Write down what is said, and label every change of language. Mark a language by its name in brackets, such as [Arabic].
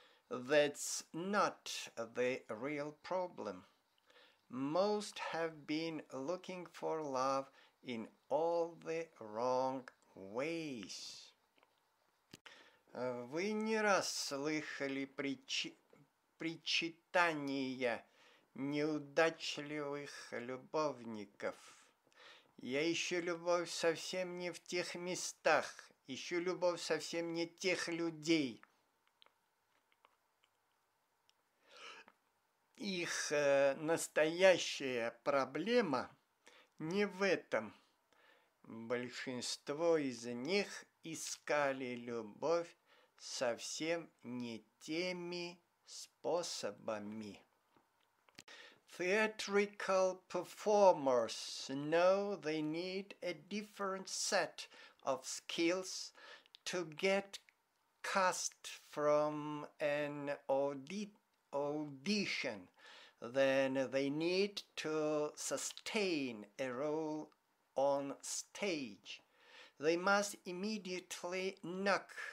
[English] That's not the real problem. Most have been looking for love in all the wrong ways. [Russian] Вы не раз слышали причитания неудачливых любовников. Я ищу любовь совсем не в тех местах, ищу любовь совсем не тех людей. Их настоящая проблема не в этом. Большинство из них искали любовь совсем не теми способами. [English] Theatrical performers know they need a different set of skills to get cast from an audition than they need to sustain a role on stage. They must immediately knock